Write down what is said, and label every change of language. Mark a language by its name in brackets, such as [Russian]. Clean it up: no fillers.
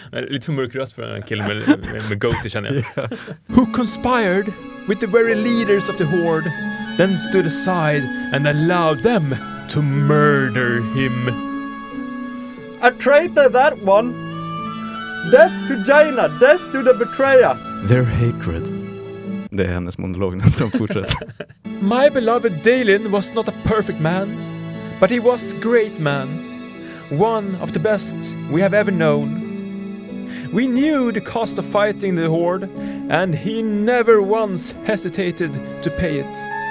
[Swedish] Lite för mörk röst för en kille med goatee, känner jag. [English] Yeah. Who conspired with the very leaders of the Horde, then stood aside and allowed them to murder him. A traitor, that one. Death to Jaina, death to the betrayer. Their hatred. [Swedish] Det är hennes monolog som fortsätter. [English] My beloved Dalin was not a perfect man, but he was a great man. One of the best we have ever known. We knew the cost of fighting the Horde, and he never once hesitated to pay it.